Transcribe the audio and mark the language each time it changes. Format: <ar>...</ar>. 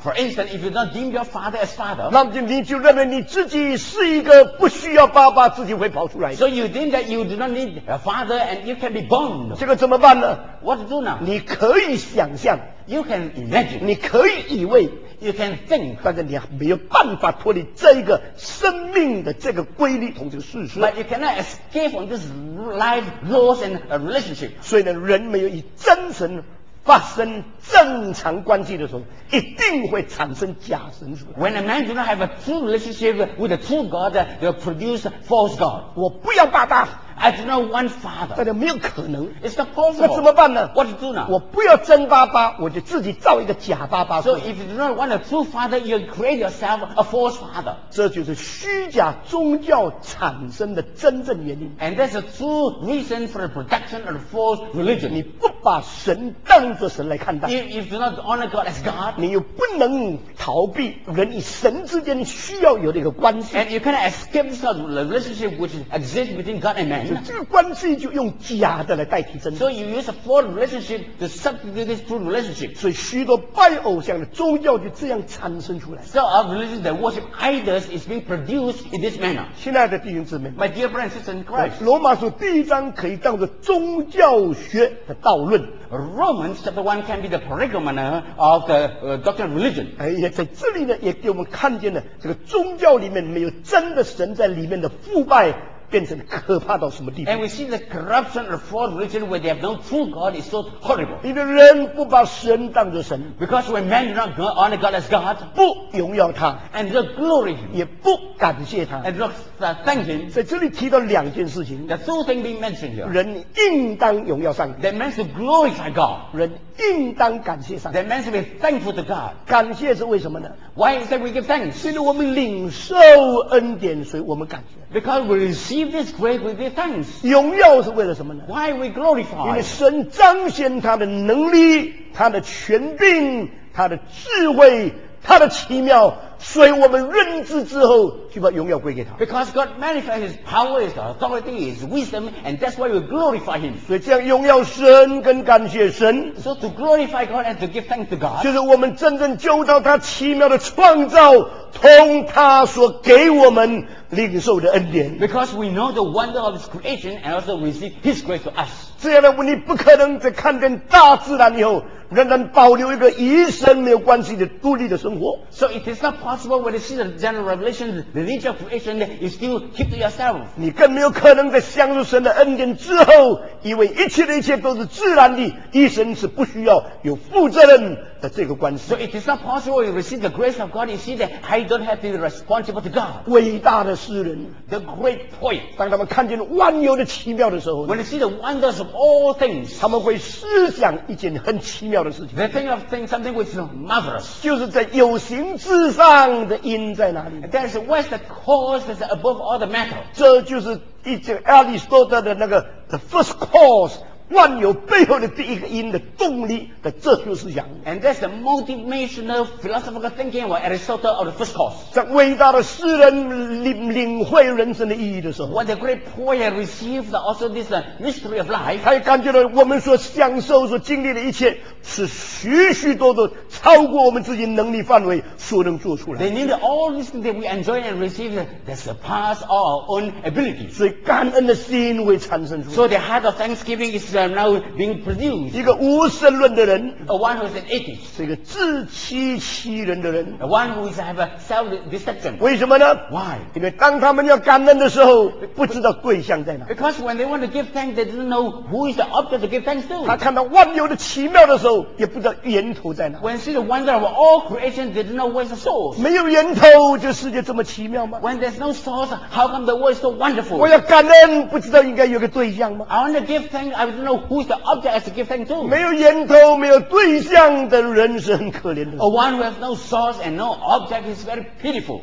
<en>For instance, if you don't deem your father as father,</en> <zh>那么你就认为你自己是一个不需要爸爸，自己会跑出来。</zh> <en>So you think that you do not need a father and you can be born.</en> <zh>这个怎么办呢？</zh> <en>What to do now?</en> <zh>你可以想象。</zh> <en>You can imagine.</en> <zh>你可以以为。</zh> <en>You can think,</en> <zh>但是你没有办法脱离这个生命的这个规律同这个事实。</zh> <en>But you cannot escape from this life laws and a relationship.</en> <zh>所以呢，人没有以真神发生正常关系的时候，一定会产生假神出来。</zh> <en>When a man do not have a true relationship with a true God, they'll produce false God.</en> <zh>我不要爸爸。</zh> <en>I do not want father.</en> <zh>但是没有可能。</zh> <en>It's not possible.</en> <zh>那怎么办呢？</zh> <en>What to do now?</en> <zh>我不要真爸爸，我就自己造一个假爸爸。</zh> <en>So if you do not want a true father, you create yourself a false father.</en> <zh>这就是虚假宗教产生的真正原因。</zh> <en>And that's a true reason for the production of false religion.</en> <zh>你不把神当作神来看待。</zh> <en>If you do not honor God as God,</en> <zh>你又不能逃避人与神之间需要有的一个关系。</zh> <en>And you cannot escape the relationship which exists between God and man.</en> <zh>这个关系就用假的来代替真的。</zh> <en>So you use a false relationship to substitute this true relationship.</en> <zh>所以许多拜偶像的宗教就这样产生出来。</zh> <en>So our religion that worship idols is being produced in this manner.</en> <zh>亲爱的弟兄姊妹</zh> <en>，My dear brothers and sisters in Christ，</en> <zh>罗马书第一章可以当作宗教学的导论。</zh> <en>Romans chapter 1 can be the prerequisite of the doctrine of religion.</en> <zh>也在这里呢，也给我们看见了这个宗教里面没有真的神在里面的腐败变成可怕到什么地步。</zh> <en>And we see the corruption of false religion where they have no true God is so horrible.</en> <zh>因为人不把神当作神。</zh> <en>Because when men do not honor God as God,</en> <zh>不荣耀他。</zh> <en>And do not glory him.</en> <zh>也不感谢他。</zh> <en>And do not thank him.</en> <zh>在这里提到两件事情。</zh> <en>The two things being mentioned here.</en> <zh>人应当荣耀上帝。</zh> <en>That means to glorify God.</en> <zh>人应当感谢上帝。</zh> <en>That means to be thankful to God.</en> <zh>感谢是为什么呢？</zh> <en>Why is that we give thanks?</en> <zh>因为我们领受恩典，所以我们感谢。</zh> <en>Because we receive this grace with their thanks.</en> <zh>荣耀是为了什么呢？</zh> <en>Why we glorify?</en> <zh>因为神彰显他的能力，他的权柄，他的智慧，他的奇妙，所以我们认知之后就把荣耀归给他。</zh> <en>Because God manifests His power, His authority, His wisdom, and that's why we glorify Him.</en> <zh>所以这样荣耀神跟感谢神。</zh> <en>So to glorify God and to give thanks to God.</en> <zh>就是我们真正就到他奇妙的创造，从他所给我们领受的恩典。</zh> <en>Because we know the wonder of His creation and also receive His grace to us.</en> <zh>这样的问题不可能在看见大自然以后仍然保留一个与神没有关系的独立的生活。</zh> <en>So it is not possible when you see the general revelation, the nature of creation, you still keep to yourself.</en> <zh>你更没有可能在享受神的恩典之后，以为一切的一切都是自然的，与神是不需要有负责任的这个关系。</zh> <en>So it is not possible when you receive the grace of God, you see that I don't have to be responsible to God.</en> <zh>伟大的诗人</zh> <en>，the great poet，</en> <zh>当他们看见万有的奇妙的时候</zh> <en>，when you see the wonders of all things，</en> <zh>他们会思想一件很奇妙。</zh> <en>They think of things something which is marvelous.</en> <zh>就是在有形之上的因在哪里？</zh> <en>There's what's the cause that's above all the matter.</en> <zh>这就是一句亚里士多德的那个</zh> <en>the first cause，</en> <zh>万有背后的第一个因的动力的哲学思想。</zh> <en>And that's the motivational philosophical thinking of Aristotle of the first cause.</en> <zh>在伟大的诗人领会人生的意义的时候</zh> <en>，When the great poet received also this mystery of life，</en> <zh>他也感觉到我们所享受、所经历的一切。是许许多多超过我们自己能力范围所能做出来。</zh> <en>They need all these things that we enjoy and receive that surpass our own ability.</en> <zh>所以感恩的心会产生出来。</zh> <en>So the heart of thanksgiving is now being produced.</en> <zh>一个无神论的人</zh> <en>，A one who is an atheist.</en> <zh>是一个自欺欺人的人</zh> <en>，A one who is have a self deception.</en> <zh>为什么呢</zh> <en>？Why?</en> <zh>因为当他们要感恩的时候，不知道对象在哪。</zh> <en>Because when they want to give thanks, they don't know who is the object to give thanks to.</en> <zh>他看到万有的奇妙的时候，也不知道源头在哪。</zh> <en>When see the wonder of all creation, they don't know where's the source.</en> <zh>没有源头，这世界这么奇妙吗</zh> <en>？When there's no source, how come the world is so wonderful?</en> <zh>我要感恩，不知道应该有个对象吗</zh> <en>？I want to give thanks, I don't know who's the object to give thanks to.</en> <zh>没有源头，没有对象的人是很可怜的。</zh> <en>A one who has no source and no object is very pitiful.</en>